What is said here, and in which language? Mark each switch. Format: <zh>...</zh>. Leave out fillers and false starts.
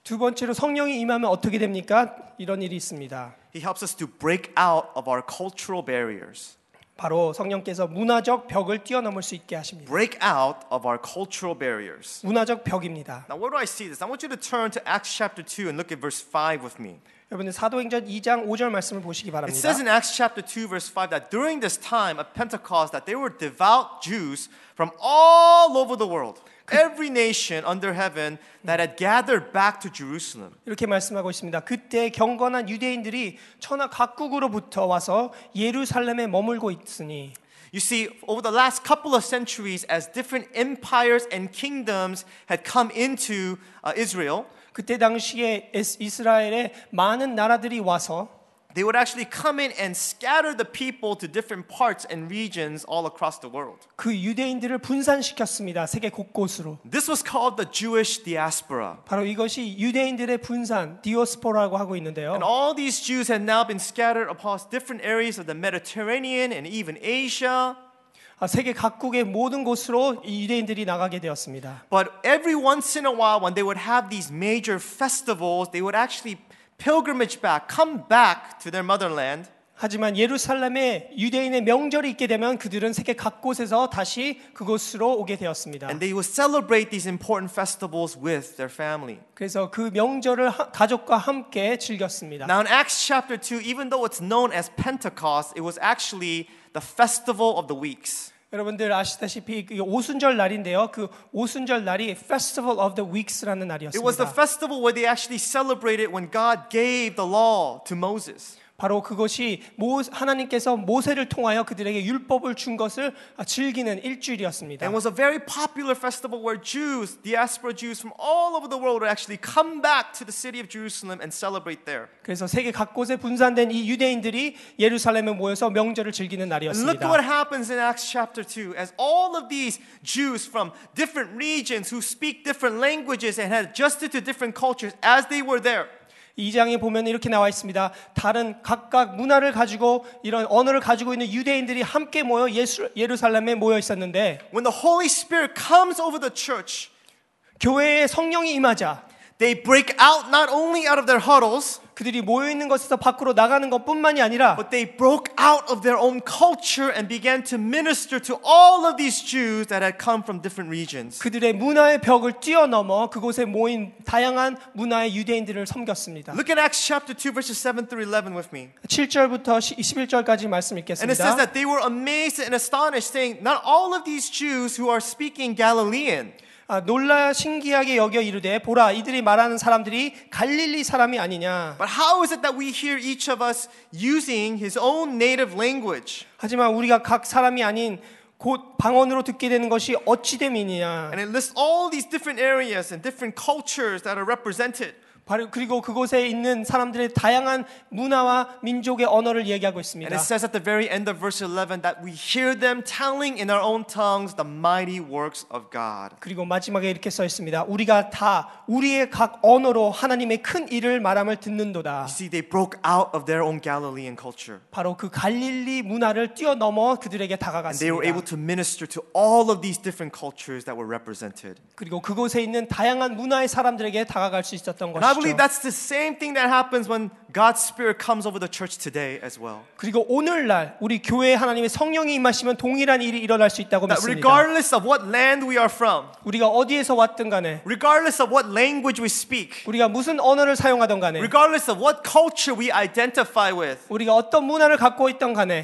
<ko>두 번째로 성령이 임하면 어떻게 됩니까? 이런 일이 있습니다.</ko> <en>He helps us to break out of our cultural barriers.</en> <ko>바로 성령께서 문화적 벽을 뛰어넘을 수 있게 하십니다.</ko> <en>Break out of our cultural barriers.</en> <ko>문화적 벽입니다.</ko> <en>Now where do I see this? I want you to turn to Acts chapter 2 and look at verse 5 with me.</en> <ko>여러분 사도행전 2장 5절 말씀을 보시기 바랍니다.</ko> <en>It says in Acts chapter 2 verse 5 that during this time of Pentecost that there were devout Jews from all over the world. Every nation under heaven that had gathered back to Jerusalem.</en> <ko>이렇게 말씀하고 있습니다. 그때 경건한 유대인들이 천하 각국으로부터 와서 예루살렘에 머물고 있으니.</ko> <en>You see, over the last couple of centuries, as different empires and kingdoms had come into Israel.</en> <ko>그때 당시에 이스라엘에 많은 나라들이 와서.</ko> <en>They would actually come in and scatter the people to different parts and regions all across the world.</en> <ko>그 유대인들을 분산시켰습니다. 세계 곳곳으로.</ko> <en>This was called the Jewish diaspora.</en> <ko>바로 이것이 유대인들의 분산, 디아스포라고 하고 있는데요.</ko> <en>And all these Jews had now been scattered across different areas of the Mediterranean and even Asia.</en> <ko>세계 각국의 모든 곳으로 유대인들이 나가게 되었습니다.</ko> <en>But every once in a while when they would have these major festivals, they would actually pilgrimage back, come back to their motherland.</en> <ko>하지만 예루살렘에 유대인의 명절이 있게 되면 그들은 세계 각곳에서 다시 그곳으로 오게 되었습니다.</ko> <en>And they would celebrate these important festivals with their family.</en> <ko>그래서 그 명절을 가족과 함께 즐겼습니다.</ko> <en>Now in Acts chapter 2, even though it's known as Pentecost, it was actually the festival of the weeks.</en> <ko>여러분들 아시다시피 오순절 날인데요. 그 오순절 날이</ko> <en>Festival of the Weeks</en> <ko>라는 날이었습니다.</ko> <en>It was the festival where they actually celebrated when God gave the law to Moses.</en> <ko>바로 그것이 하나님께서 모세를 통하여 그들에게 율법을 준 것을 즐기는 일주일이었습니다.</ko> <en>It was a very popular festival where Jews, diaspora Jews from all over the world would actually come back to the city of Jerusalem and celebrate there.</en> <ko>그래서 세계 각곳에 분산된 이 유대인들이 예루살렘에 모여서 명절을 즐기는 날이었습니다.</ko> <en>Look what happens in Acts chapter 2 as all of these Jews from different regions who speak different languages and had adjusted to different cultures as they were there.</en> <ko>이 장에 보면 이렇게 나와 있습니다. 다른 각각 문화를 가지고 이런 언어를 가지고 있는 유대인들이 함께 모여 예루살렘에 모여 있었는데</ko> <en>When the Holy Spirit comes over the church,</en> <ko>교회에 성령이 임하자</ko> <en>they break out not only out of their huddles,</en> <ko>그들이 모여 있는 곳에서 밖으로 나가는 것뿐만이 아니라</ko> <en>but they broke out of their own culture and began to minister to all of these Jews that had come from different regions.</en> <ko>그들의 문화의 벽을 뛰어넘어 그곳에 모인 다양한 문화의 유대인들을 섬겼습니다.</ko> <en>Look at Acts chapter 2 verses 7 through 11 with me.</en> <ko>7절부터 11절까지 말씀 읽겠습니다.</ko> <en>And it says that they were amazed and astonished saying not all of these Jews who are speaking Galilean</en> <ko>놀라 신기하게 여겨 이르되 보라 이들이 말하는 사람들이 갈릴리 사람이 아니냐</ko> <en>But how is it that we hear each of us using his own native language?</en> <ko>하지만 우리가 각 사람이 아닌 곧 방언으로 듣게 되는 것이 어찌 됨이냐</ko> <en>And it lists all these different areas and different cultures that are represented.</en> <ko>그리고 그곳에 있는 사람들의 다양한 문화와 민족의 언어를 얘기하고 있습니다.</ko> <en>And it says at the very end of verse 11 that we hear them telling in our own tongues the mighty works of God.</en> <ko>그리고 마지막에 이렇게 써 있습니다. 우리가 다 우리의 각 언어로 하나님의 큰 일을 말함을 듣는도다.</ko> <en>You see, they broke out of their own Galilean culture.</en> <ko>바로 그 갈릴리 문화를 뛰어넘어 그들에게 다가갔습니다.</ko> <en>And they were able to minister to all of these different cultures that were represented.</en> <ko>그리고 그곳에 있는 다양한 문화의 사람들에게 다가갈 수 있었던 것.</ko> <en>I believe that's the same thing that happens when God's Spirit comes over the church today as well.</en> <ko>그리고 오늘날 우리 교회에 하나님의 성령이 임하시면 동일한 일이 일어날 수 있다고 믿습니다.</ko> <en>Regardless of what land we are from,</en> <ko>우리가 어디에서 왔든 간에,</ko> <en>regardless of what language we speak,</en> <ko>우리가 무슨 언어를 사용하든 간에,</ko> <en>regardless of what culture we identify with,</en> <ko>우리가 어떤 문화를 갖고 있든 간에,</ko>